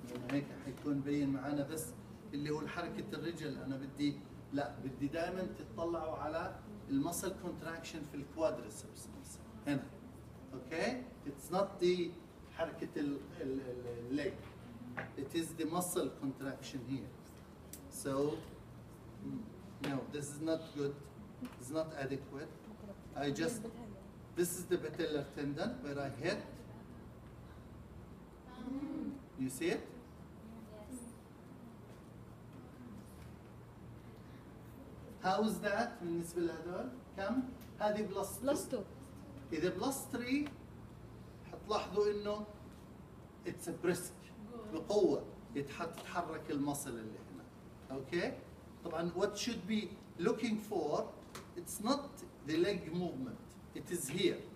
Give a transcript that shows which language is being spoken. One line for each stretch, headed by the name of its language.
Arabic: هيك حيكون بين معانا بس اللي هو حركة الرجل. أنا بدي لا بدي دائما تطلعوا على المسل كونتراكشن في الكوادريسبس هنا.
English: Okay it's not the حركة ال leg, it is the muscle contraction here. So no, this is not good, it's not adequate. I just this is the patellar tendon where I hit. You see it?
Arabic: How is that بالنسبة لهدول؟ كم؟ هذه بلس 2. بلس 2. إذا بلس 3 حتلاحظوا إنه it's a brisk بقوة يتحرك المصل اللي هنا.
English: Okay? طبعاً what should be looking for it's not the leg movement, it is here.